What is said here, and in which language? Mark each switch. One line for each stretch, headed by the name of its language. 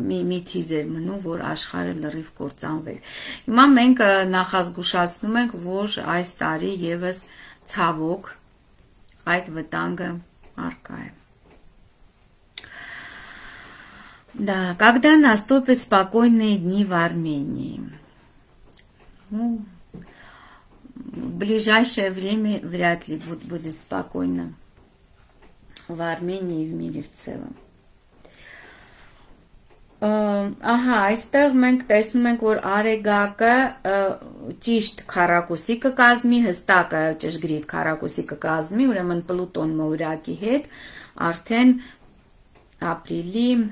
Armenian: մի թիզեր մնում, որ աշխարհը լրիվ կործանվեր։ Հիմա մենք նախազգուշացնում ենք, որ այս տարի ևս ցավոք այդ վտանգը առկա է։
Russian: Да, когда наступят спокойные дни в Армении? Ну, в ближайшее время вряд ли будет спокойно в Армении и в мире в целом.
Armenian: Ահա, այստեղ մենք տեսնում ենք, որ Արեգակը ճիշտ քարակուսի կկազմի, հստակը ճշգրիտ քարակուսի կկազմի, ուրեմն Պլուտոն մոլորակի հետ, արդեն ապրիլի